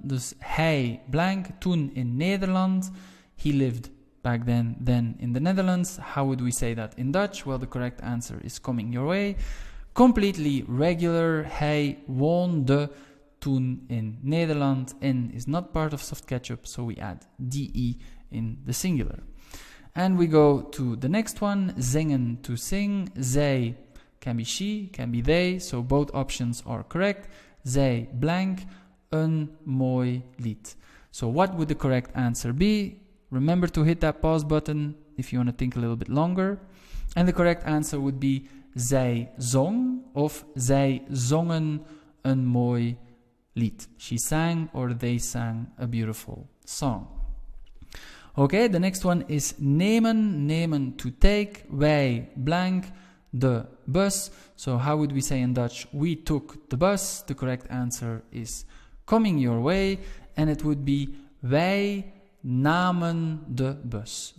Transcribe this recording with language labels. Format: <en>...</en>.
<nl>Dus hij blank, toen in Nederland.</nl> <en>He lived back then in the Netherlands. How would we say that in Dutch? Well, the correct answer is coming your way. Completely regular,</en> <nl>hij woonde toen in Nederland.</nl> <en>N is not part of soft ketchup, so we add DE in the singular. And we go to the next one. Zingen, to sing. Zij can be she, can be they, so both options are correct.</en> <nl>Zij blank, een mooi lied.</nl> <en>So what would the correct answer be? Remember to hit that pause button if you want to think a little bit longer. And the correct answer would be</en> <nl>zij zong of zij zongen een mooi lied.</nl> <en>She sang or they sang a beautiful song. Okay, the next one is nemen, nemen to take,</en> <nl>wij blank, de bus.</nl> <en>So how would we say in Dutch, we took the bus? The correct answer is coming your way, and it would be</en> <nl>wij namen de bus.</nl>